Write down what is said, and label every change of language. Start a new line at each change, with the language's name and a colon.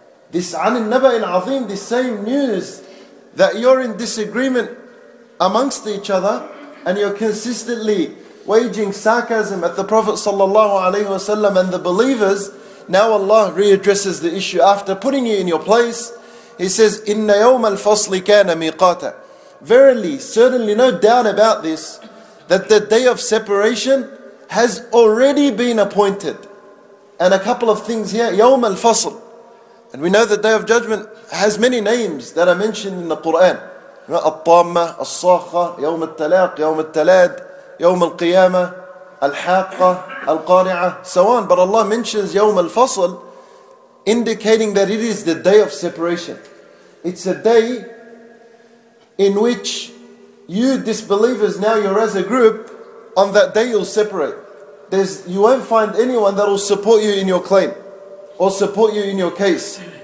English: This
Arabic: عن النبأ العظيم,
English: this same news that you're in disagreement amongst each other and you're consistently waging sarcasm at the Prophet sallallahu alaihi wasallam and the believers, now Allah readdresses the issue after putting you in your place. He says,
Arabic: إِنَّ يَوْمَ الْفَصْلِ كَانَ مِيقَاتًا.
English: Verily, certainly no doubt about this, that the day of separation has already been appointed. And a couple of things here,
Arabic: يَوْمَ الْفَصْلِ.
English: And we know the Day of Judgment has many names that are mentioned in the Quran.
Arabic: الطامة, الصاخة, يوم التلاق, يوم التلاد, يوم القيامة, الحاقة,
English: Al-Qari'ah, so on. But Allah mentions Yawm Al-Fasl, indicating that it is the day of separation. It's a day in which you disbelievers, now you're as a group, on that day you'll separate. You won't find anyone that will support you in your claim or support you in your case.